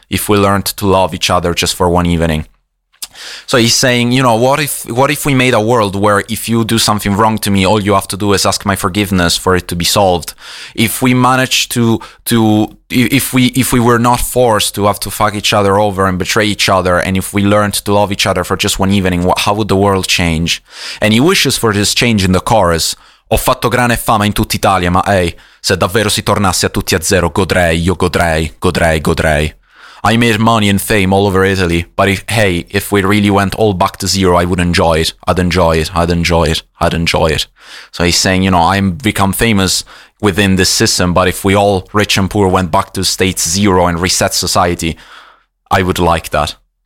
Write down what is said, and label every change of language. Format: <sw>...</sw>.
<en>If we learned to love each other just for one evening. So he's saying, you know, what if we made a world where if you do something wrong to me, all you have to do is ask my forgiveness for it to be solved. If we managed if we were not forced to have to fuck each other over and betray each other, and if we learned to love each other for just one evening, how would the world change? And he wishes for this change in the chorus.</en> <it>Ho fatto grana e fama in tutta Italia, ma ehi, se davvero si tornasse a tutti a zero, godrei, io godrei, godrei, godrei.</it> <en>I made money and fame all over Italy, but if we really went all back to zero, I would enjoy it. I'd enjoy it. I'd enjoy it. I'd enjoy it. So he's saying, you know, I've become famous within this system, but if we all, rich and poor, went back to state zero and reset society, I would like that.</en>